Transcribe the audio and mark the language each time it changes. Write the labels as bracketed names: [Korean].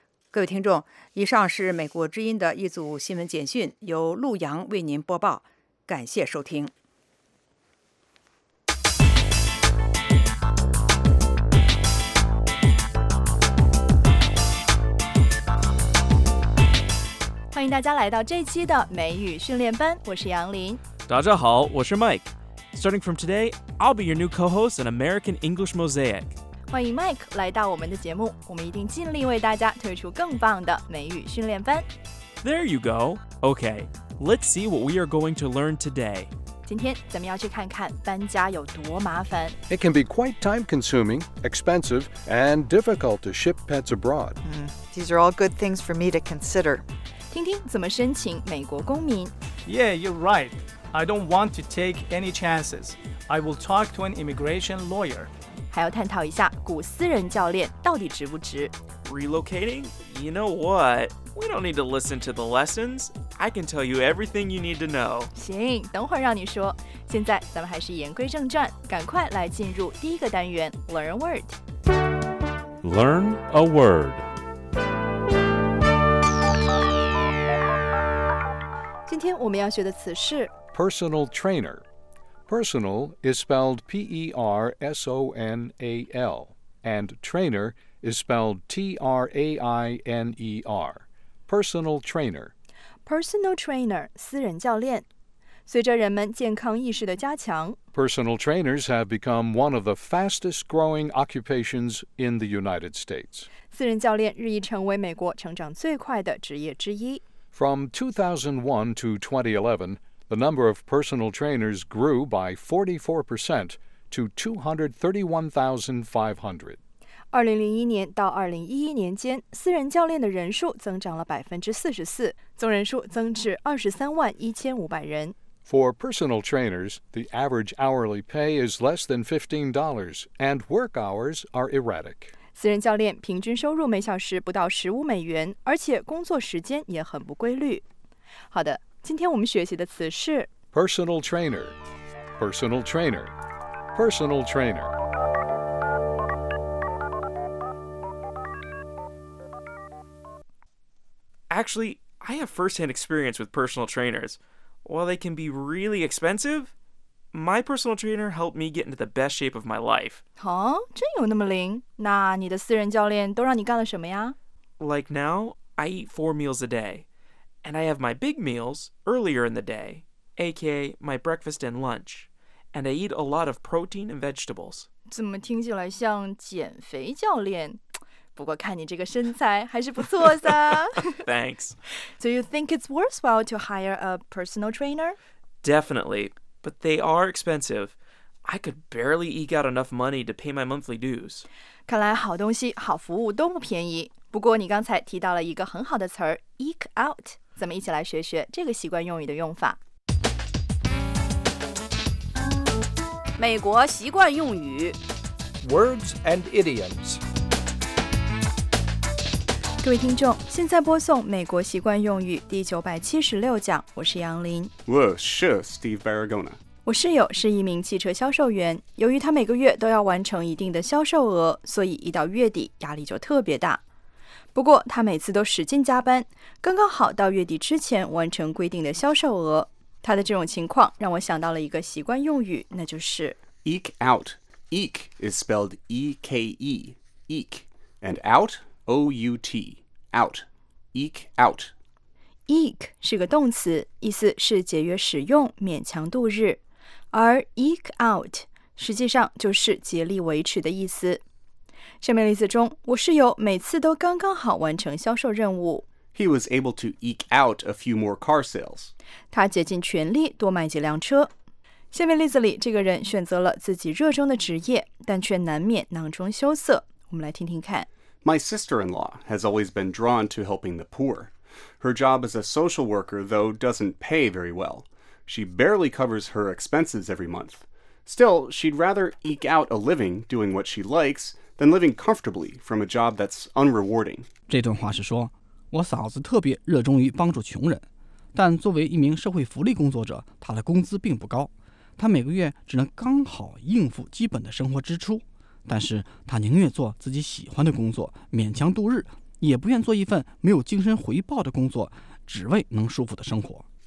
[Chinese] 各位听众，以上是美国之音的一组新闻简讯，由陆洋为您播报，感谢收听。迎大家来到这期的美语训练班，我是杨林。大家好，我是 Mike。 [English] Starting from today, I'll be your new co-host in American English Mosaic. [Chinese] 欢迎 Mike 来到我们的节目，我们一定尽力为大家推出更棒的美语训练班。 [English] There you go. Okay, let's see what we are going to learn today. [Chinese] 今天咱们要去看看搬家有多麻烦。 [English] It can be quite time-consuming, expensive, and difficult to ship pets abroad. These are all good things for me to consider. [Chinese] 听听怎么申请美国公民。 [English] Yeah, you're right. I don't want to take any chances. I will talk to an immigration lawyer. [Chinese] 还要探讨一下雇私人教练到底值不值。 [English] Relocating? You know what? We don't need to listen to the lessons. I can tell you everything you need to know. [Chinese] 行，等会儿让你说。现在咱们还是言归正传，赶快来进入第一个单元 ， [English] Learn a word. Learn a word. [Chinese] 今天我们要学的词是 [English] personal trainer. Personal is spelled P-E-R-S-O-N-A-L, and trainer is spelled T-R-A-I-N-E-R. Personal trainer. [Chinese] Personal trainer, 私人教练。随着人们健康意识的加强 [English] Personal trainers have become one of the fastest growing occupations in the United States. [Chinese] 私人教练日益成为美国成长最快的职业之一。 [English] From 2001 to 2011, the number of personal trainers grew by 44% to 231,500. [Chinese] 2001年到2011年间，私人教练的人数增长了 44%， 总人数增至231,500人。 [English] For personal trainers, the average hourly pay is less than $15, and work hours are erratic. [Chinese] 私人教练平均收入每小时不到15美元，而且工作时间也很不规律。好的，今天我们学习的词是 [English] personal trainer, personal trainer, personal trainer. Actually, I have first-hand experience with personal trainers. While they can be really expensive, my personal trainer helped me get into the best shape of my life. [Chinese] Huh? 真有那么灵？那你的私人教练都让你干了什么呀？ [English] Like now, I eat 4 meals a day. And I have my big meals earlier in the day, aka my breakfast and lunch. And I eat a lot of protein and vegetables. [Chinese] 怎么听起来像减肥教练？不过看你这个身材还是不错的。 [English] Thanks. Do you think it's worthwhile to hire a personal trainer? Definitely, but they are expensive. I could barely eke out enough money to pay my monthly dues. [Chinese] 看来好东西、好服务都不便宜。不过你刚才提到了一个很好的词儿 eke out. 咱们一起来学学这个习惯用语的用法。美国习惯用语 [English] Words and idioms. [Chinese] 各位听众，现在播送美国习惯用语第976讲，我是杨林。我是 Steve Barragona。我室友是一名汽车销售员，由于他每个月都要完成一定的销售额，所以一到月底压力就特别大。不过他每次都使劲加班，刚刚好到月底之前完成规定的销售额。他的这种情况让我想到了一个习惯用语，那就是 [English] eke out。 eke is spelled E-K-E, eke, and out? O-U-T, out, eke out. [Chinese] Eke 是个动词，意思是节约使用，勉强度日。而 eke out 实际上就是竭力维持的意思。上面例子中，我室友每次都刚刚好完成销售任务。 [English] He was able to eke out a few more car sales. [Chinese] 他竭尽全力多买几辆车。下面例子里，这个人选择了自己热衷的职业，但却难免囊中羞涩。我们来听听看。 [English] My sister-in-law has always been drawn to helping the poor. Her job as a social worker, though, doesn't pay very well. She barely covers her expenses every month. Still, she'd rather eke out a living doing what she likes than living comfortably from a job that's unrewarding. [Chinese] 这段话是说，我嫂子特别热衷于帮助穷人，但作为一名社会福利工作者，她的工资并不高。她每个月只能刚好应付基本的生活支出。但是他宁愿做自己喜欢的工作勉强度日，也不愿做一份没有精神回报的工作，只为能舒服的生活。